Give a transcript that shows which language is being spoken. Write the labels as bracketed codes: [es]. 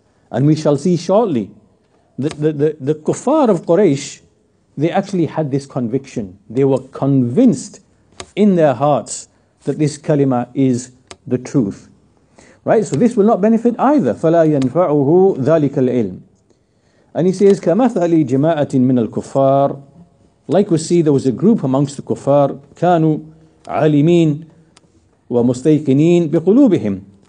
[en] And we shall see shortly that the kuffar of Quraysh, they actually had this conviction. They were convinced in their hearts that this kalima is the truth. Right? So this will not benefit either. [ar] فَلَا يَنْفَعُهُ ذَلِكَ الْعِلْمِ. [en] And he says, [ar] كَمَثَلِ جِمَاءَةٍ مِنَ الْكُفَّارِ. [en] Like we see, there was a group amongst the kuffar, [ar] كَانُوا عَلِمِينَ وَمُسْتَيْقِنِينَ بِقُلُوبِهِمْ.